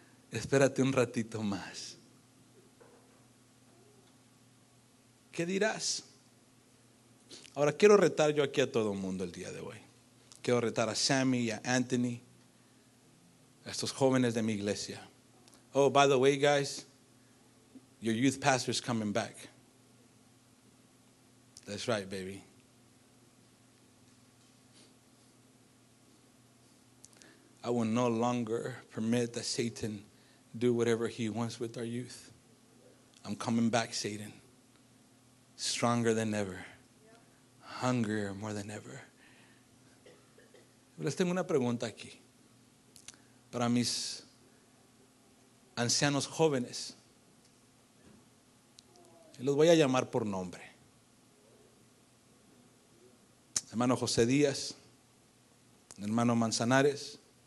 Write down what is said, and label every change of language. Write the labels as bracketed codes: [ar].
[es] Espérate un ratito más. ¿Qué dirás? Ahora quiero retar yo aquí a todo el mundo el día de hoy. Quiero retar a Sammy y a Anthony, a estos jóvenes de mi iglesia. [en] Oh, by the way, guys, your youth pastor is coming back. That's right, baby. I will no longer permit that Satan do whatever he wants with our youth. I'm coming back, Satan. Stronger than ever. Hungrier more than ever. [es] Les tengo una pregunta aquí. Para mis ancianos jóvenes. Los voy a llamar por nombre. Hermano José Díaz. Hermano Manzanares.